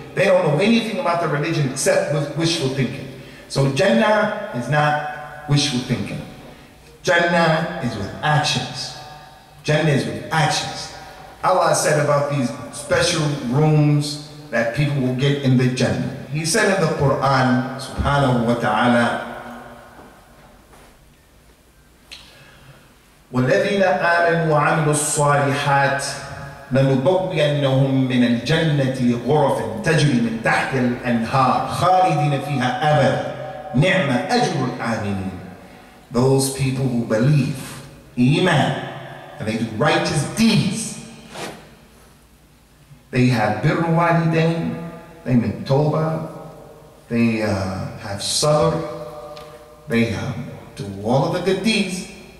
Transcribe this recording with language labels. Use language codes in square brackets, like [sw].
[en] They don't know anything about the religion except with wishful thinking. So Jannah is not wishful thinking. Jannah is with actions. Jannah is with actions. Allah said about these special rooms that people will get in the Jannah. He said in the Quran, Subhanahu wa ta'ala, [ar] وَالَّذِينَ آمَنُوا وَعَمِلُوا الصَّالِحَاتِ لَنُبَوِّئَنَّهُمْ مِنَ الْجَنَّةِ غُرَفٍ تَجْرِي مِنْ تَحْتِ الْأَنْهَارِ خَالِدِينَ فِيهَا أَبَدًا نِعْمَ أَجْرُ الْعَامِلِينَ. [en] Those people who believe, iman, and they do righteous deeds, they have birr walidain, they make tawbah, they have sabr, they do all of the good deeds.